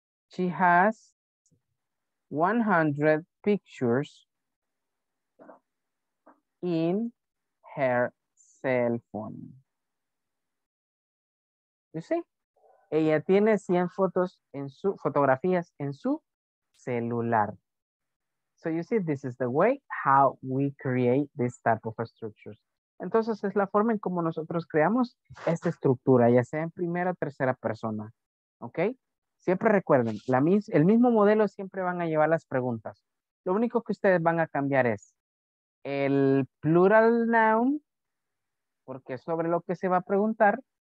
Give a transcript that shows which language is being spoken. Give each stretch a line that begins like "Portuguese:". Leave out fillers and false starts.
English: She has 100 pictures in her cell phone. You see?
Spanish: Ella tiene 100 fotos en su, fotografías en su celular.
English: So you see, this is the way how we create this type of structures.
Spanish: Entonces es la forma en cómo nosotros creamos esta estructura, ya sea en primera o tercera persona. ¿Ok? Siempre recuerden, el mismo modelo siempre van a llevar las preguntas. Lo único que ustedes van a cambiar es el plural noun, porque es sobre lo que se va a preguntar.